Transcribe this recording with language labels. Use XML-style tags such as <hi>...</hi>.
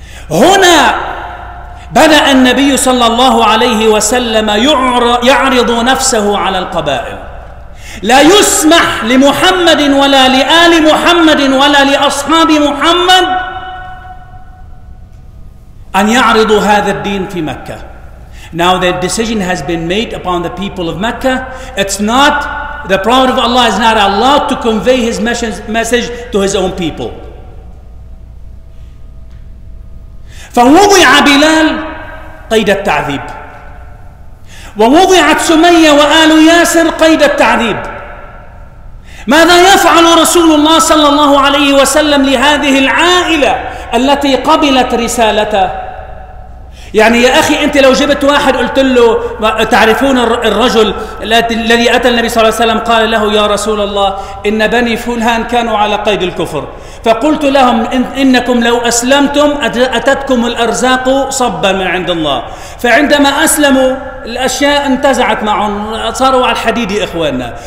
<ar>هنا بدأ النبي صلى الله عليه وسلم يعرض نفسه على القبائل. لا يسمح لمحمد ولا لآل محمد ولا لأصحاب محمد أن يعرضوا هذا الدين في مكة.</ar> <en>Now the decision has been made upon the people of Mecca. It's not, the Prophet of Allah is not allowed to convey his message to his own people.</en> <ar>فوضع بلال قيد التعذيب، ووضعت سمية وآل ياسر قيد التعذيب. ماذا يفعل رسول الله صلى الله عليه وسلم لهذه العائلة التي قبلت رسالته؟ يعني يا أخي، أنت لو جبت واحد قلت له تعرفون الرجل الذي أتى النبي صلى الله عليه وسلم قال له يا رسول الله إن بني فلان كانوا على قيد الكفر، فقلت لهم إنكم لو أسلمتم أتتكم الأرزاق صبا من عند الله، فعندما أسلموا الأشياء انتزعت معهم صاروا على الحديد إخواننا.</ar>